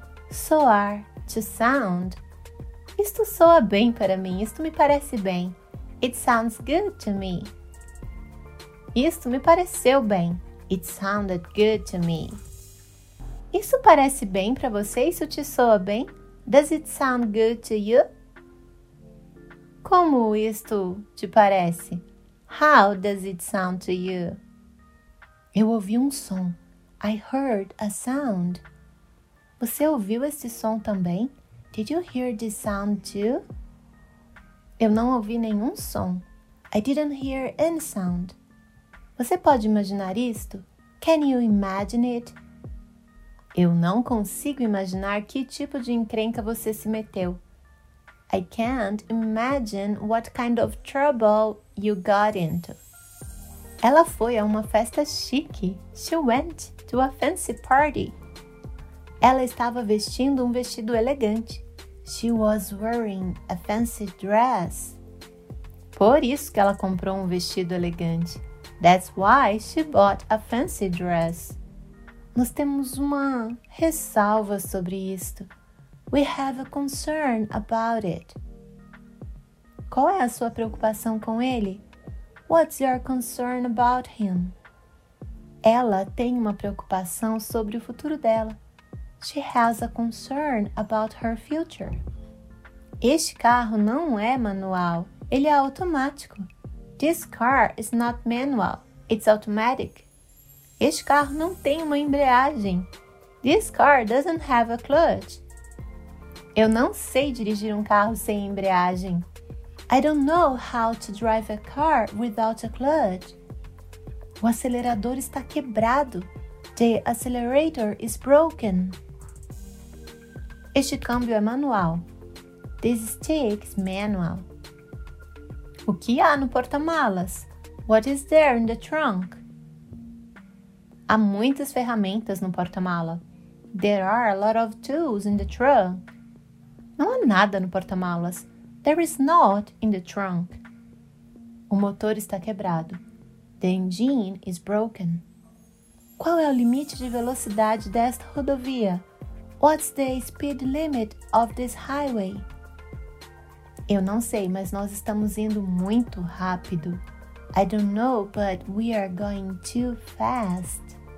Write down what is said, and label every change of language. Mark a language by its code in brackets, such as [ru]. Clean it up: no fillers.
[pt] Soar, [en] to sound. [pt] Isto soa bem para mim, isto me parece bem. [en] It sounds good to me. [pt] Isto me pareceu bem. [en] It sounded good to me. [pt] Isso parece bem para você? Isso te soa bem? [en] Does it sound good to you? [pt] Como isto te parece? [en] How does it sound to you? [pt] Eu ouvi um som. [en] I heard a sound. [pt] Você ouviu este som também? [en] Did you hear this sound too? [pt] Eu não ouvi nenhum som. [en] I didn't hear any sound. [pt] Você pode imaginar isto? [en] Can you imagine it? [pt] Eu não consigo imaginar que tipo de encrenca você se meteu. [en] I can't imagine what kind of trouble you got into. [pt] Ela foi a uma festa chique. [en] She went to a fancy party. [pt] Ela estava vestindo um vestido elegante. [en] She was wearing a fancy dress. [pt] Por isso que ela comprou um vestido elegante. [en] That's why she bought a fancy dress. [pt] Nós temos uma ressalva sobre isto. [en] We have a concern about it. [pt] Qual é a sua preocupação com ele? [en] What's your concern about him? [pt] Ela tem uma preocupação sobre o futuro dela. [en] She has a concern about her future. [pt] Este carro não é manual. Ele é automático. [en] This car is not manual. It's automatic. [pt] Este carro não tem uma embreagem. [en] This car doesn't have a clutch. [pt] Eu não sei dirigir um carro sem embreagem. [en] I don't know how to drive a car without a clutch. [pt] O acelerador está quebrado. [en] The accelerator is broken. [pt] Este câmbio é manual. [en] This stick is manual. [pt] O que há no porta-malas? [en] What is there in the trunk? [pt] Há muitas ferramentas no porta-mala. [en] There are a lot of tools in the trunk. [pt] Não há nada no porta-malas. [en] There is not in the trunk. [pt] O motor está quebrado. [en] The engine is broken. [pt] Qual é o limite de velocidade desta rodovia? [en] What's the speed limit of this highway? [pt] Eu não sei, mas nós estamos indo muito rápido. [en] I don't know, but we are going too fast.